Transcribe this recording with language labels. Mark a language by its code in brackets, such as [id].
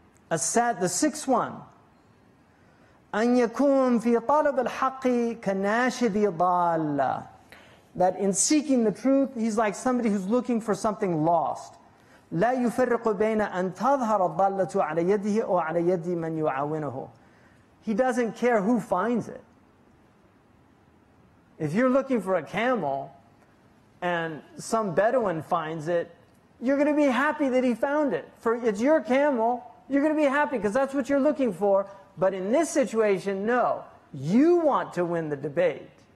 [en] The sixth one. [ar] أَنْ يَكُونَ فِي طَلَبِ الْحَقِّ كَنَاشِدِ ضَالَّ. [en] That in seeking the truth, he's like somebody who's looking for something lost. [ar] لا يفرق بين أن تظهر الضالة على يده أو على يد من يعاونه. [en] He doesn't care who finds it. If you're looking for a camel and some Bedouin finds it, you're going to be happy that he found it. For it's your camel, you're going to be happy because that's what you're looking for. But in this situation, no. You want to win the debate.